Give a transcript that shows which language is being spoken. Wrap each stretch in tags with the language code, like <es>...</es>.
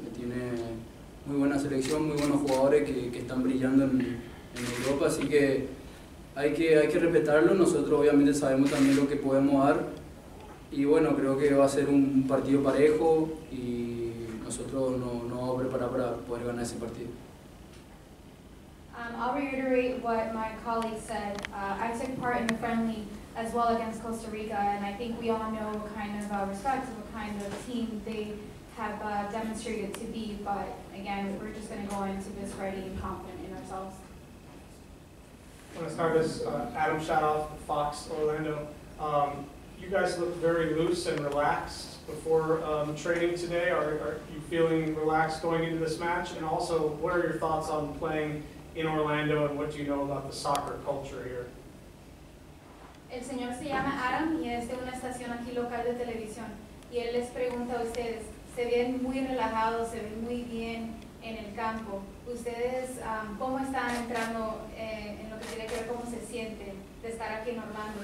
<es>Tiene muy buena selección, muy buenos jugadores que están brillando en Europa. Así que hay que respetarlo. Nosotros obviamente sabemos también lo que podemos dar. Y bueno, creo que va a ser un partido parejo y nosotros nos vamos a preparar para poder ganar ese partido.</es> <en>I'll reiterate what my colleague said. I took part in the friendly as well against Costa Rica, and I think we all know what kind of respect and what kind of team they have demonstrated to be, but again, we're just going to go into this ready and confident in ourselves.</en> <es>Buenas tardes, Adam Shadoff, Fox, Orlando.</es> <en>You guys look very loose and relaxed before training today. Are you feeling relaxed going into this match? And also, what are your thoughts on playing in Orlando, and what do you know about the soccer culture here?</en> <es>El señor se llama Adam y es de una estación aquí local de televisión. Y él les pregunta a ustedes, se ven muy relajados, se ven muy bien en el campo. Ustedes, ¿cómo están entrando en lo que tiene que ver cómo se sienten de estar aquí en Orlando?</es>